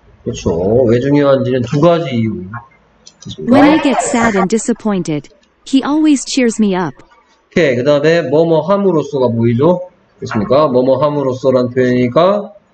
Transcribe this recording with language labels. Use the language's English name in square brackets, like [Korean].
[Korean] 그렇죠. 왜 중요한지는 두 가지 이유. [English] When I get sad and disappointed, he always cheers me up. [Korean] 오케이. 그 다음에 뭐뭐 함으로써가 보이죠? 그렇습니까? 뭐뭐 함으로써란 표현이니까